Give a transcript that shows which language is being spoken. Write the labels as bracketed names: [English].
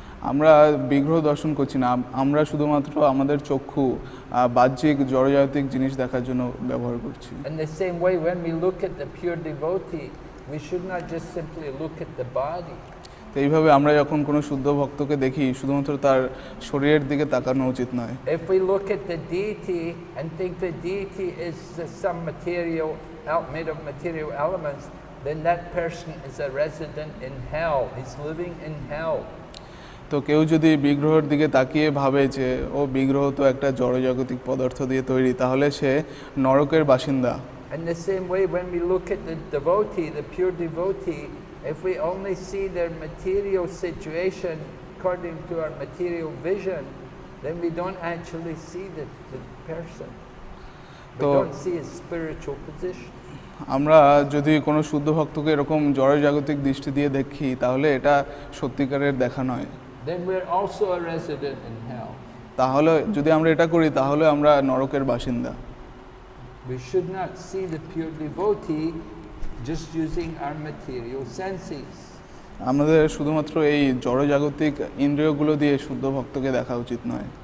[Bangla] আমরা বিগ্রহ দর্শন করছি না, আমরা শুধুমাত্র আমাদের চক্ষু বাহ্যিক জড়জাতিক জিনিস দেখার জন্য ব্যবহার করছি। [English] In the same way, when we look at the pure devotee, we should not just simply look at the body. [Bangla] তো এইভাবে আমরা যখন কোনো শুদ্ধ ভক্তকে দেখি শুধুমাত্র তার শরীরের দিকে তাকানো উচিত নয়। [English] If we look at the deity and think the deity is some material made of material elements, then that person is a resident in hell, he's living in hell. [Bangla] তো কেউ যদি বিগ্রহের দিকে তাকিয়ে ভাবে যে ও বিগ্রহ তো একটা জড়জাগতিক পদার্থ দিয়ে তৈরি, তাহলে সে নরকের বাসিন্দা। [English] In the same way, when we look at the devotee, the pure devotee, if we only see their material situation according to our material vision, then we don't actually see the person. We don't see his spiritual position. [Bangla] আমরা যদি কোনো শুদ্ধ ভক্তকে এরকম জড়জাগতিক দৃষ্টি দিয়ে দেখি তাহলে এটা সত্যিকারের দেখা নয়। [English] Then we are also a resident in hell. [Bangla] তাহলে যদি আমরা এটা করি তাহলে আমরা নরকের বাসিন্দা। [English] We should not see the pure devotee just using our material senses. [Bangla] আমাদের শুধুমাত্র এই জড়জাগতিক ইন্দ্রিয়গুলো দিয়ে শুদ্ধ ভক্তকে দেখা উচিত নয়।